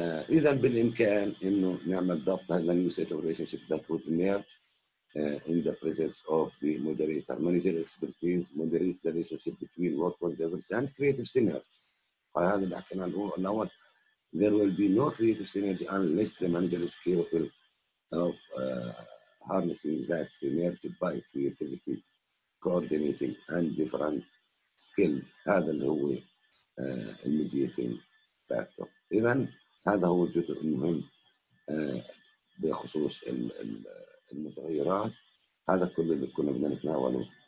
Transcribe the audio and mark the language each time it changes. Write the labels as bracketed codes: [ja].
[ar] إذن بالإمكان إنه نعمل ضبط هذا الـ [en] New Set of Relationship that would emerge in the presence of the moderator, manager expertise, moderates the relationship between workforce diversity and creative synergy. [ar] هذا اللي حكينا عنه الأول. [en] There will be no creative synergy unless the manager is capable of harnessing that synergy by creativity, coordinating and different skills. [ar] هذا اللي هو mediating factor. إذا هذا هو الجزء المهم بخصوص المتغيرات. هذا كل اللي كنا بدنا نتناوله.